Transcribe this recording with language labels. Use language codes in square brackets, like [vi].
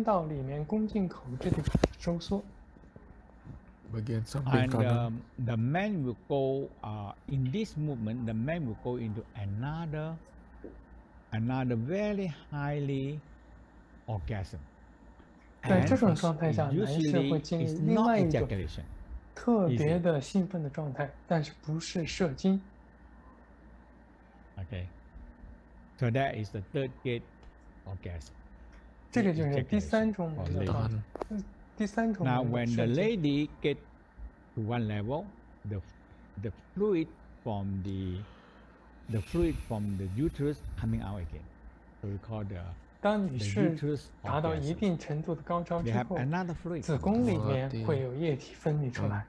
[zh] 男士也会感觉到阴道里面宫颈口这里收缩。 [en] And the man will go in this movement, the man will go into another very highly orgasm. [zh] 在这种状态下，男士会经历另外一种特别的兴奋的状态，但是不是射精。 [en] Okay, so that is the third gate orgasm. [zh] 这个就是第三种的状态。第三种。 [en] Now when the lady get to one level, the fluid from the uterus coming out again. So we call the [zh] 当你是达到一定程度的高潮之后，子宫里面会有液体分泌出来。